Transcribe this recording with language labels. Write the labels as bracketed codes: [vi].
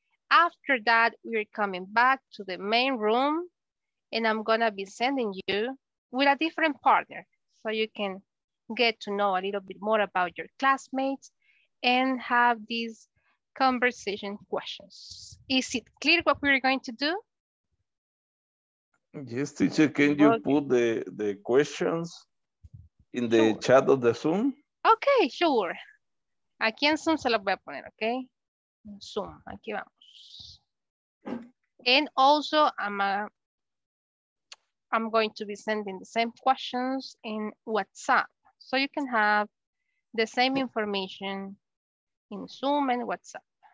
[en] After that, we're coming back to the main room and I'm gonna be sending you with a different partner so you can get to know a little bit more about your classmates and have these conversation questions. Is it clear what we're going to do? Yes, teacher, can you put the questions in the chat of the Zoom? Okay, sure. [es] Aquí en Zoom se los voy a poner, okay? En Zoom, aquí vamos. [en] And also, I'm going to be sending the same questions in WhatsApp, so you can have the same information in Zoom and WhatsApp.